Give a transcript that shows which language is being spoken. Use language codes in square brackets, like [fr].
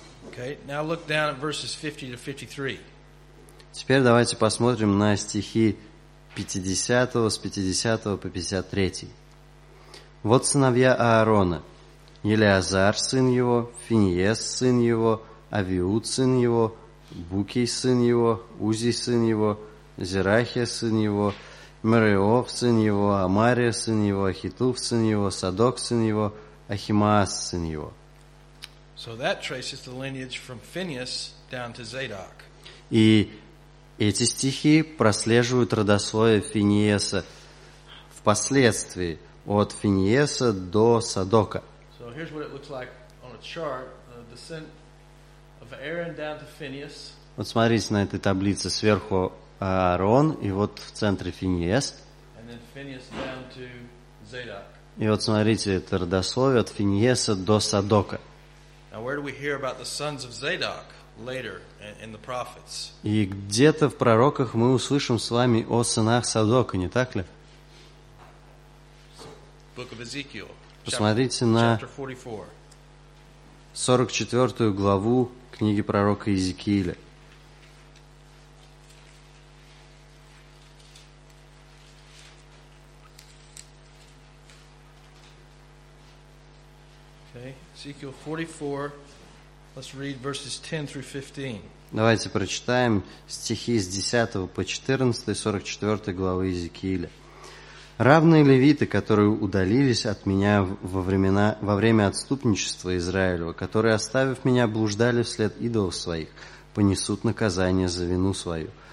[en] Okay, now look down at verses 50 to 53. [ru] Теперь давайте посмотрим на стихи 50 с 50 по 53. Вот сыновья Аарона: Елеазар, сын его, Финиес, сын его, Авиуд, сын его, Букий, сын его, Узий, сын его, Зерахия, сын его, Мереов, сын его, Амария, сын его, Ахитуф, сын его, Садок, сын его, Ахимаас, сын его. [en] So that traces the lineage from Phineas down to Zadok. [ru] И эти стихи прослеживают родословие Финиеса впоследствии, от Финиеса до Садока. [en] So here's what it looks like on a chart, the descent of Aaron down to Phineas. [ru] Вот смотрите на этой таблице сверху Аарон, и вот в центре Финиес. [en] And then Phineas down to Zadok. [ru] И вот смотрите, это родословие от Финиеса до Садока. [en] Now where do we hear about the sons of Zadok later in the prophets? [ru] И где-то в пророках мы услышим с вами о сынах Садока, не так ли? [en] Book of Ezekiel. [ru] Посмотрите на 44-ю главу книги пророка Иезекииля. [en] Ezekiel 44, let's read verses 10 through 15. [ru] Давайте прочитаем стихи с 10 по 14, 44 главы Иезекииля. «Равные левиты, которые удалились от меня во время отступничества Израилева, которые, оставив меня, блуждали вслед идолов своих, понесут наказание за вину свою.